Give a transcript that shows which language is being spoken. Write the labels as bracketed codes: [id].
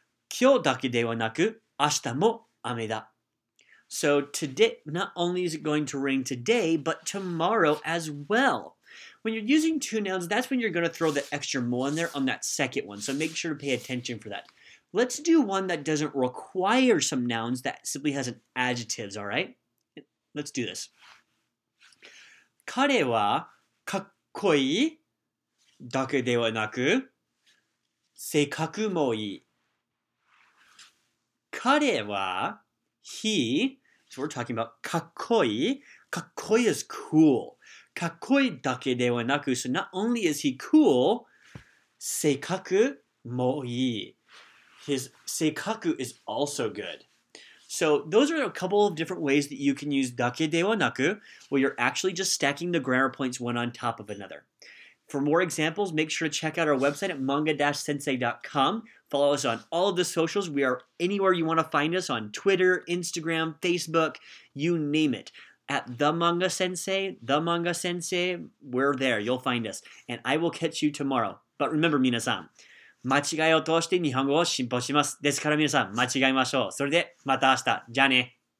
[ja] Kyo dake dewa naku, ashita mo ame da. [en] So today, not only is it going to rain today, but tomorrow as well. When you're using two nouns, that's when you're going to throw the extra mo in there on that second one. So make sure to pay attention for that. Let's do one that doesn't require some nouns, that simply has an adjectives, all right? Let's do this. [ja] 彼はかっこいいだけではなく、性格もいい。 [en] 彼は、he... So we're talking about kakkoi. Kakkoi is cool. [ja] Kakkoi dake dewa naku. [en] So not only is he cool, [ja] seikaku mo ii. [en] His seikaku is also good. So those are a couple of different ways that you can use dake dewa naku, where you're actually just stacking the grammar points one on top of another. For more examples, make sure to check out our website at manga-sensei.com. Follow us on all of the socials. We are anywhere you want to find us, on Twitter, Instagram, Facebook, you name it. At The Manga Sensei, The Manga Sensei, we're there. You'll find us. And I will catch you tomorrow. But remember, [ja] 皆さん、間違いを通して日本語を進歩します。ですから皆さん、間違いましょう。それで、また明日。じゃあね。